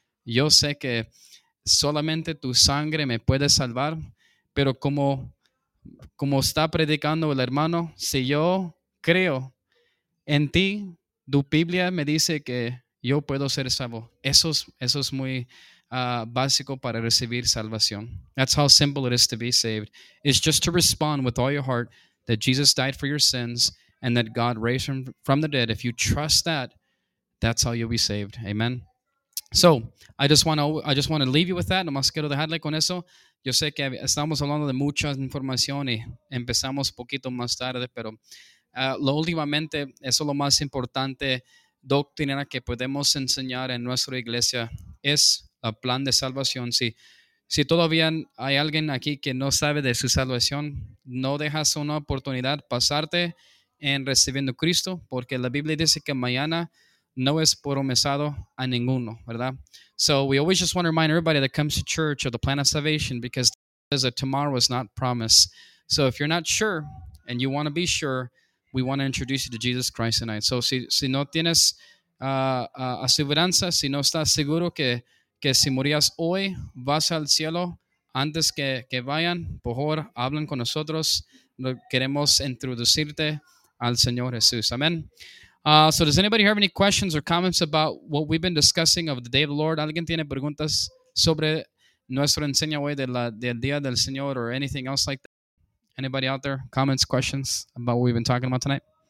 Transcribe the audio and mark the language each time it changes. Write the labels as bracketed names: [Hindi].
[Spanish] Yo sé que solamente tu sangre me puede salvar. Pero como está predicando el hermano, si yo creo en ti, tu Biblia me dice que yo puedo ser salvo. Eso es muy básico para recibir salvación. [English] That's how simple it is to be saved. It's just to respond with all your heart that Jesus died for your sins and that God raised him from the dead. If you trust that, that's how you'll be saved. Amen. So, I just want to leave you with that. [Spanish] Nomás quiero dejarle con eso. Yo sé que estamos hablando de mucha información y empezamos poquito más tarde, pero lo últimamente, eso es lo más importante doctrina que podemos enseñar en nuestra iglesia, es el plan de salvación. Si todavía hay alguien aquí que no sabe de su salvación, no dejas una oportunidad pasarte en recibiendo a Cristo, porque la Biblia dice que mañana no es promesado a ninguno, ¿verdad? [English] So we always just want to remind everybody that comes to church of the plan of salvation, because it says that tomorrow is not promised. So if you're not sure and you want to be sure, we want to introduce you to Jesus Christ tonight. [Spanish] So si no tienes aseguranza, si no estás seguro que si morías hoy vas al cielo, antes que vayan, por favor, hablen con nosotros. Queremos introducirte al Señor Jesús. Amen. [English] So does anybody have any questions or comments about what we've been discussing of the Day of the Lord? [Spanish] ¿Alguien tiene preguntas sobre nuestra enseña hoy del Día del Señor [English] or anything else like that? Anybody out there? Comments, questions about what we've been talking about tonight?